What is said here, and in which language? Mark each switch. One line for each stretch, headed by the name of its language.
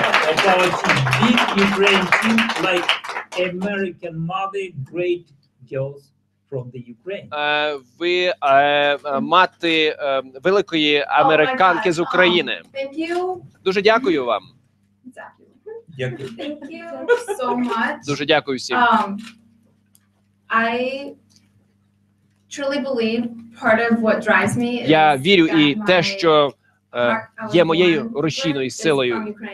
English: Of our team, big Ukraine team, like American mother, great girls from the Ukraine.
Ukrainian: Ви мати великої американки з України.
English: Thank you.
Ukrainian: Дуже дякую вам. Дякую.
English: Thank you so much.
Ukrainian: Дуже дякую всім.
English: I truly believe part of what drives me.
Ukrainian: Я вірю і те, що є моєю рушійною силою.